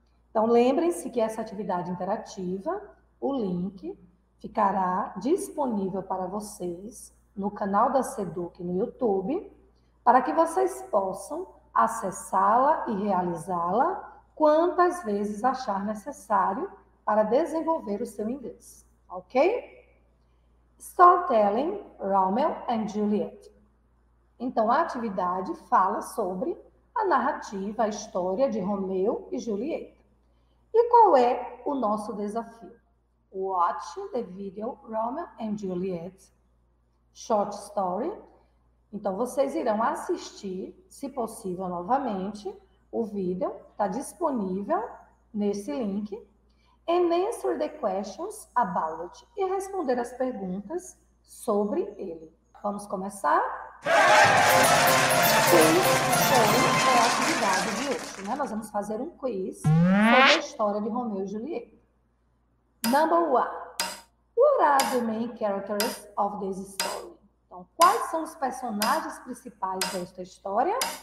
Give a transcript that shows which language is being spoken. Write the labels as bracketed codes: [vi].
[pt] Então, lembrem-se que essa atividade interativa, o link, ficará disponível para vocês no canal da Seduc no YouTube, para que vocês possam acessá-la e realizá-la quantas vezes achar necessário para desenvolver o seu inglês. Ok? Storytelling, Romeo and Juliet. Então, a atividade fala sobre a narrativa, a história de Romeu e Julieta. E qual é o nosso desafio? [en] Watch the video Romeo and Juliet short story. [pt] Então, vocês irão assistir, se possível, novamente, o vídeo, está disponível nesse link. [en] And answer the questions about it. [pt] E responder as perguntas sobre ele. Vamos começar? Quiz sobre a atividade de hoje, né? Nós vamos fazer um quiz sobre a história de Romeo e Julieta. [en] Number one. What are the main characters of this story? [pt] Então, quais são os personagens principais desta história?